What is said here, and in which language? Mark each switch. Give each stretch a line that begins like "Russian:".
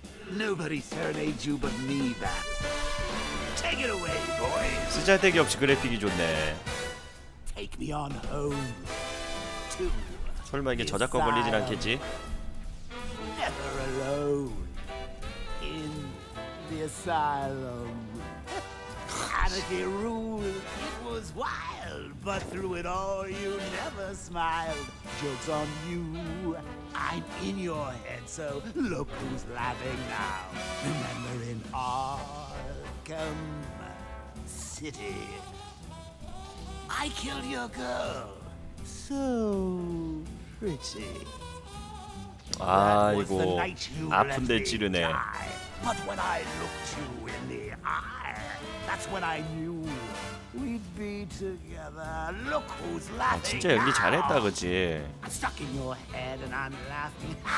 English: Nobody serenades you but me, Bats. Take it away, boys.
Korean: 쓰잘데기 없이 그래픽이 좋네.
English: Take me on home.
Korean: 설마 이게 저작권 걸리진 않겠지?
English: Never alone in the asylum. Anarchy ruled. It was wild, but through it all, you never smiled. Jokes on you. I'm in your head, so look who's laughing now. Remember in Arkham City, I killed your girl. So pretty.
Korean: 아이고, 아픈데 찌르네.
English: But when I looked you in the eye. That's when I knew we'd be together. Look who's laughing.
Korean: 아, 진짜 연기 잘했다, 그치?
English: I'm stuck in your head and I'm laughing.